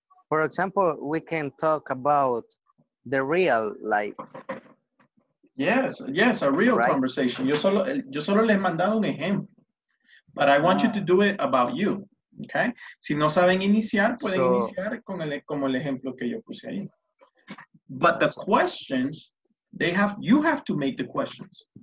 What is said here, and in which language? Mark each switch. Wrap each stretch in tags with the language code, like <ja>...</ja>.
<en>For example, we can talk about the real life. Yes, a real right. conversation.</en> <es>Yo solo les he mandado un ejemplo.</es> <en>But I want you to do it about you. Okay?</en> <es>Si no saben iniciar, pueden iniciar con el ejemplo que yo puse ahí.</es> <en>But the questions, you have to make the questions.</en>